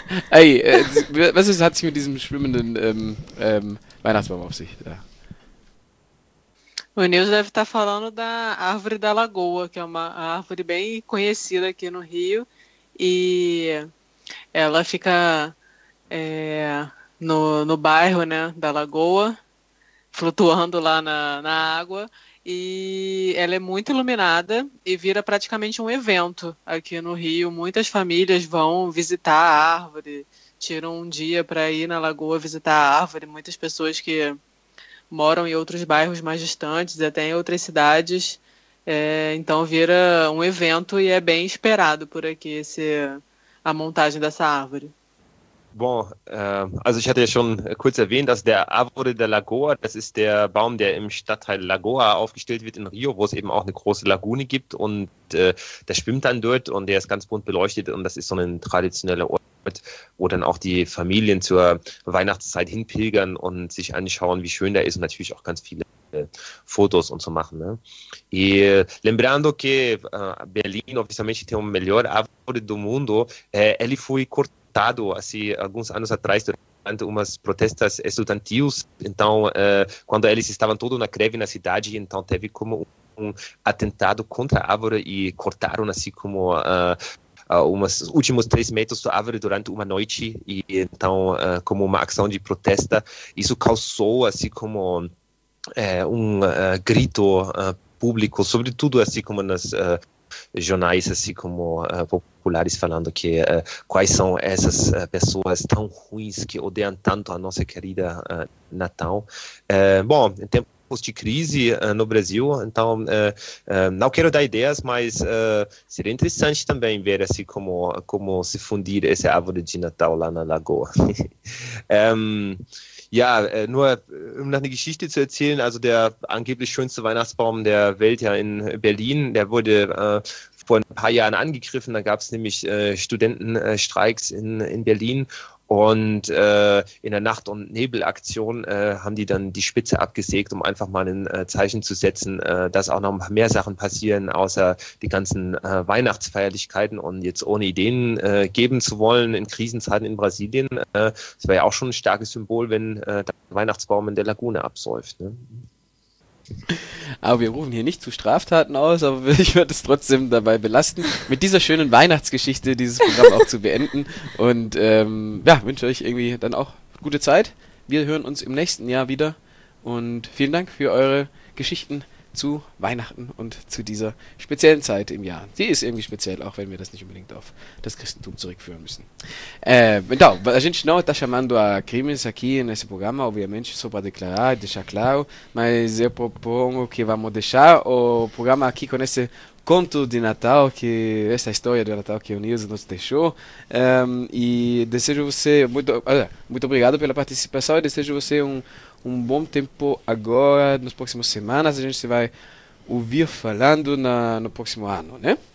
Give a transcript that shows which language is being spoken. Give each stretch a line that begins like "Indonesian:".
German: Aí, was hat sich mit diesem schwimmenden Weihnachtsbaum auf sich? Ja.
Portuguese: O Nils deve estar falando da Árvore da Lagoa, que é uma árvore bem conhecida aqui no Rio, e ela fica no bairro, né, da Lagoa, flutuando lá na água, e ela é muito iluminada e vira praticamente um evento aqui no Rio. Muitas famílias vão visitar a árvore, tiram um dia para ir na Lagoa visitar a árvore, muitas pessoas que moram em outros bairros mais distantes, até em outras cidades. Então vira um evento e é bem esperado por aqui a montagem dessa árvore.
German: Bom, also ich hatte ja schon kurz erwähnt, dass der Árvore da Lagoa, das ist der Baum, der im Stadtteil Lagoa aufgestellt wird in Rio, wo es eben auch eine große Lagune gibt, und der schwimmt dann dort und der ist ganz bunt beleuchtet, und das ist so ein traditioneller Ort, wo dann auch die Familien zur Weihnachtszeit hinpilgern und sich anschauen, wie schön der ist, und natürlich auch ganz viele Fotos und so machen. Ne?
Portuguese: E lembrando que Berlim oficialmente tem o melhor árvore do mundo, ele foi cortado assim, alguns anos atrás durante umas protestas estudantis, então quando eles estavam todos na greve na cidade, então teve como um atentado contra a árvore e cortaram assim como umas últimos 3 metros da árvore durante uma noite, e então como uma ação de protesta, isso causou assim como grito público, sobretudo assim como nas jornais assim como populares, falando que quais são essas pessoas tão ruins que odeiam tanto a nossa querida Natal. Bom, em tempos de crise no Brasil, então não quero dar ideias, mas seria interessante também ver assim como se fundir essa árvore de Natal lá na Lagoa.
German: Ja, nur um noch eine Geschichte zu erzählen, also der angeblich schönste Weihnachtsbaum der Welt ja in Berlin, der wurde vor ein paar Jahren angegriffen. Da gab es nämlich Studentenstreiks in Berlin. Und in der Nacht- und Nebelaktion haben die dann die Spitze abgesägt, um einfach mal ein Zeichen zu setzen, dass auch noch ein paar mehr Sachen passieren, außer die ganzen Weihnachtsfeierlichkeiten und jetzt ohne Ideen geben zu wollen in Krisenzeiten in Brasilien. Das wäre ja auch schon ein starkes Symbol, wenn der Weihnachtsbaum in der Lagune absäuft. Ne? Aber wir rufen hier nicht zu Straftaten aus, aber ich würde es trotzdem dabei belasten, mit dieser schönen Weihnachtsgeschichte dieses Programm auch zu beenden. Und ja, wünsche euch irgendwie dann auch gute Zeit. Wir hören uns im nächsten Jahr wieder und vielen Dank für eure Geschichten zu Weihnachten und zu dieser speziellen Zeit im Jahr. Sie ist irgendwie speziell, auch wenn wir das nicht unbedingt auf das Christentum zurückführen müssen.
Portuguese: Então, a gente não está chamando a crimes aqui nesse programa, obviamente, só para declarar e deixar claro, mas eu proponho que vamos deixar o programa aqui com esse conto de Natal, que essa história de Natal que o Nilson nos deixou. E desejo você muito obrigado pela participação e desejo você um bom tempo agora, nas próximas semanas. A gente se vai ouvir falando no próximo ano, né?